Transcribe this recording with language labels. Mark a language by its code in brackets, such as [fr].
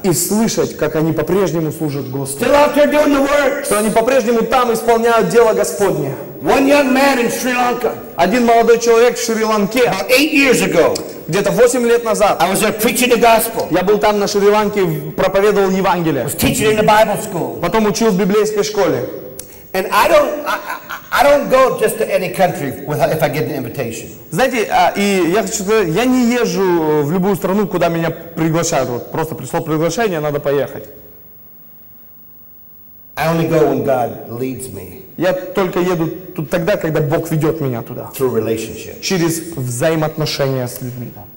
[ru] И слышать, как они по-прежнему служат Господу. Что они по-прежнему там исполняют дело Господне. [en] One young man in Sri Lanka. [ru] Один молодой человек в Шри-Ланке. [en] About 8 years ago. [ru] Где-то 8 лет назад. [en] I was there preaching the gospel. [ru] Я был там на Шри-Ланке, проповедовал Евангелие. [en] I was teaching in the Bible school. [ru] Потом учил в библейской школе. [en] And I don't go just to any country without, if I get an invitation. [ru] Знаете, и я хочу сказать, я не езжу в любую страну, куда меня приглашают. Вот просто пришло приглашение, надо поехать. [en] I only go when God leads me. [ru] Я только еду тут тогда, когда Бог ведет меня туда. [en] Through relationship. [ru] Через взаимоотношения с людьми.